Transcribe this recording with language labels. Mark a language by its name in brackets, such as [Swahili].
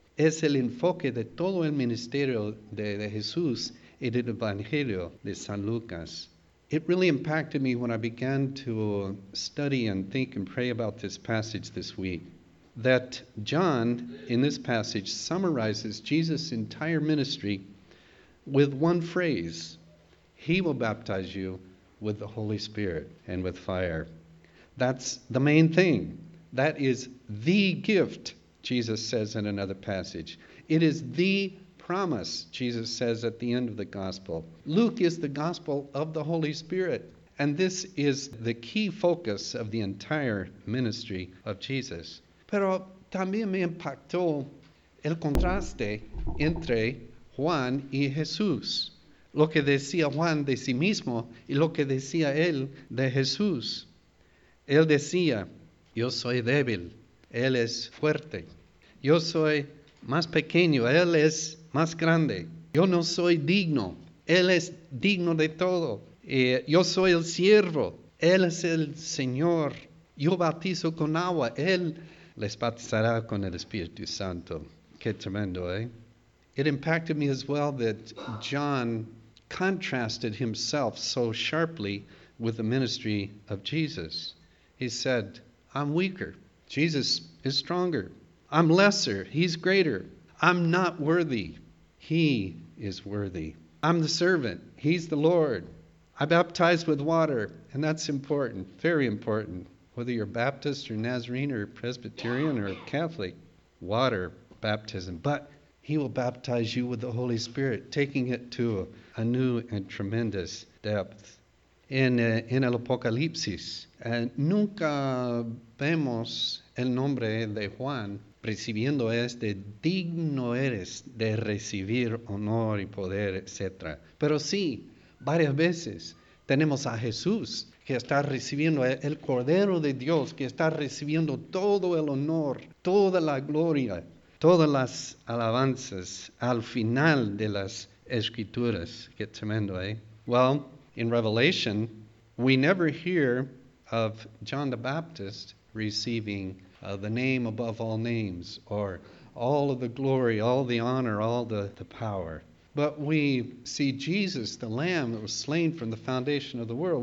[Spanish] Es el enfoque de todo el ministerio de Jesús y del Evangelio de San Lucas. [English] It really impacted me when I began to study and think and pray about this passage this week, that John, in this passage, summarizes Jesus' entire ministry with one phrase: He will baptize you with the Holy Spirit and with fire. That's the main thing. That is the gift, Jesus says in another passage. It is the promise, Jesus says at the end of the gospel. Luke is the gospel of the Holy Spirit, and this is the key focus of the entire ministry of Jesus. [Spanish] Pero también me impactó el contraste entre Juan y Jesús. Lo que decía Juan de sí mismo y lo que decía él de Jesús. Él decía, yo soy débil, él es fuerte. Yo soy más pequeño, él es más grande. Yo no soy digno, él es digno de todo. Yo soy el siervo, él es el Señor. Yo bautizo con agua, él les bautizará con el Espíritu Santo. Qué tremendo, ¿eh? [English] It impacted me as well that John contrasted himself so sharply with the ministry of Jesus. He said, I'm weaker. Jesus is stronger. I'm lesser. He's greater. I'm not worthy. He is worthy. I'm the servant. He's the Lord. I baptize with water. And that's important, very important. Whether you're Baptist or Nazarene or Presbyterian or Catholic, water, baptism. But he will baptize you with the Holy Spirit, taking it to a new and tremendous depth. [Spanish] En el Apocalipsis, nunca vemos el nombre de Juan recibiendo este digno eres de recibir honor y poder, etc. Pero sí, varias veces tenemos a Jesús que está recibiendo el Cordero de Dios, que está recibiendo todo el honor, toda la gloria, todas las alabanzas al final de las Escrituras. Qué tremendo, ¿eh? [English] Well, in Revelation, we never hear of John the Baptist receiving the name above all names, or all of the glory, all the honor, all the power. But we see Jesus, the Lamb that was slain from the foundation of the world.